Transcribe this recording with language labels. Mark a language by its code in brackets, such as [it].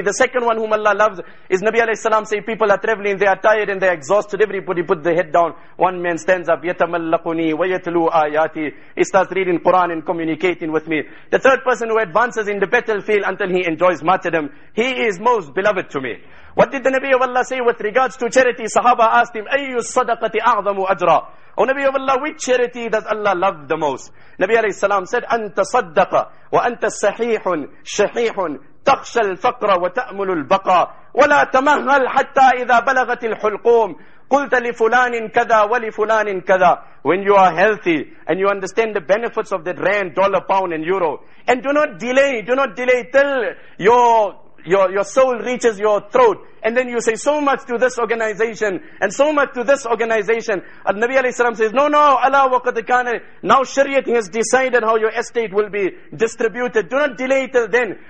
[en] The second one whom Allah loves is Nabi alayhi salam say, people are traveling, they are tired and they are exhausted. Everybody put their head down. One man stands up, [ar] yatamallaquni wa yatlu ayati. [en] He starts reading Quran and communicating with me. The third person who advances in the battlefield until he enjoys martyrdom, he is most beloved to me. What did the Nabi of Allah say with regards to charity? Sahaba asked him, [ar] أَيُّ الصَّدَقَةِ أَعْظَمُ أَجْرًا. [en] Oh Nabi of Allah, which charity does Allah love the most? Nabi alayhi salam said, [ar] أَنْتَ صَدَّقَ وَأَنْتَ صَحِيحٌ شَحِيحٌ تَخْشَى الْفَقْرَ وَتَأْمُلُ الْبَقَى وَلَا تَمَهَّلْ حَتَّى إِذَا بَلَغَتِ الْحُلْقُومِ قُلْتَ لِفُلَانٍ كَذَا وَلِفُلَانٍ كَذَا. [en] When you are healthy and you understand the benefits of that rand, dollar, pound and euro, and do not delay till your soul reaches your throat, and then you say so much to this organization and so much to this organization. And Nabi alayhi salam says, no, Allah waqad kana, now Shariat has decided how your estate will be distributed. Do not delay till then.